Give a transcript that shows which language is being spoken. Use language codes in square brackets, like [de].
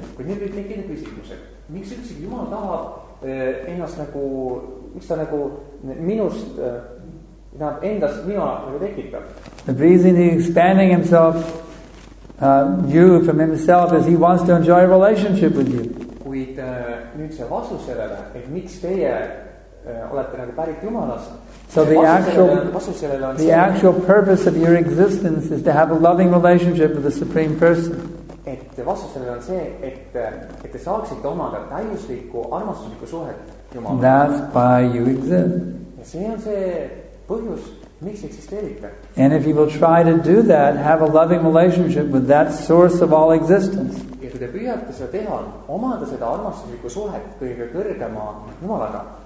[en] The reason he's expanding himself, you from himself, is he wants to enjoy a relationship with you. [et] Kuid nüüd see vastus sellele, et miks teie olete nagu pärit Jumalast. [en] So the actual purpose of your existence is to have a loving relationship with the Supreme Person. [et] Et vastus sellele on see, et te saaksite omada täiuslikku, armastuslikku suhet Jumalast. [en] That's why you exist. [et] Ja see on see põhjus, miks eksisteerite. [en] And if you will try to do that, have a loving relationship with that source of all existence. [et] Ja kui te püüate seda teha, omada seda armastuslikku suhet kõige kõrgema Jumalaga.